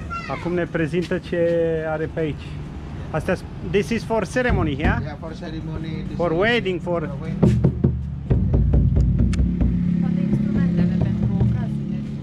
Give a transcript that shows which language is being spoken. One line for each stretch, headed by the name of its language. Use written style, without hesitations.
Romanian: Acum ne prezintă ce are pe aici.
English: Asta, this is for ceremony, yeah? Yeah, for ceremony. For wedding, for
Romanian: toate instrumentele pentru ocazie.